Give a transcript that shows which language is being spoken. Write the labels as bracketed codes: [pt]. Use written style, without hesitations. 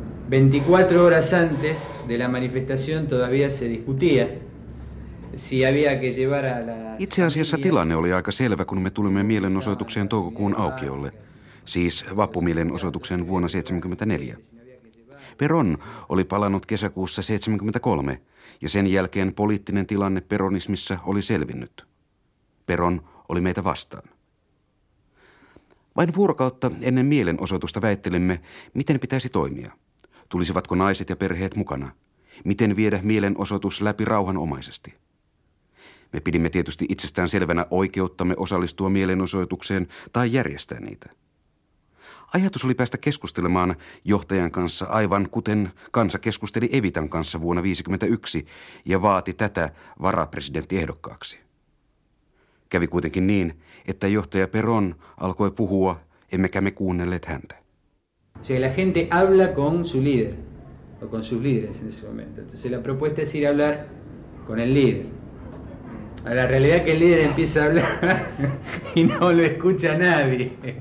[es] 24 horas antes de la manifestación todavía se discutía si había que llevar a la... [fi] Itse asiassa tilanne oli aika selvä, kun me tulimme mielenosoitukseen toukokuun aukiolle, siis vappumielenosoituksen vuonna 1974. Perón oli palannut kesäkuussa 1973, ja sen jälkeen poliittinen tilanne peronismissa oli selvinnyt. Perón oli meitä vastaan. Vain vuorokautta ennen mielenosoitusta väittelimme, miten pitäisi toimia. Tulisivatko naiset ja perheet mukana? Miten viedä mielenosoitus läpi rauhanomaisesti? Me pidimme tietysti itsestään selvänä oikeuttamme osallistua mielenosoitukseen tai järjestää niitä. Ajatus oli päästä keskustelemaan johtajan kanssa aivan kuten kansa keskusteli Evitan kanssa vuonna 1951 ja vaati tätä varapresidenttiehdokkaaksi. Kävi kuitenkin niin, että johtaja Perón alkoi puhua, emmekä me kuunnelleet häntä. [es] Si la gente habla con su líder o con sus líderes en ese momento. Entonces la propuesta es ir a hablar con el líder. A la realidad que el líder empieza a hablar y no lo escucha nadie.